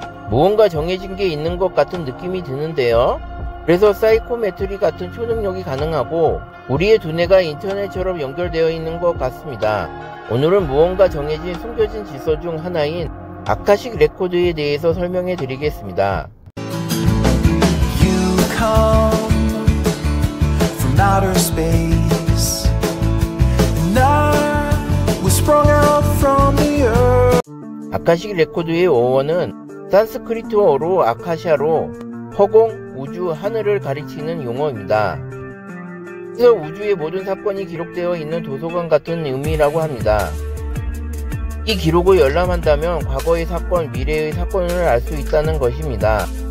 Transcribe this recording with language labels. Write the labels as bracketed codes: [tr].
[ko] 무언가 정해진 게 있는 것 같은 느낌이 드는데요. 그래서 사이코메트리 같은 초능력이 가능하고 우리의 두뇌가 인터넷처럼 연결되어 있는 것 같습니다. 오늘은 무언가 정해진 숨겨진 질서 중 하나인 아카식 레코드에 대해서 설명해 드리겠습니다. [en] You come from outer space. And I was sprung out from the earth. [ko] 아카식 레코드의 어원은 산스크리트어로 아카샤로 허공, 우주, 하늘을 가리키는 용어입니다. 그래서 우주의 모든 사건이 기록되어 있는 도서관 같은 의미라고 합니다. 이 기록을 열람한다면 과거의 사건, 미래의 사건을 알 수 있다는 것입니다.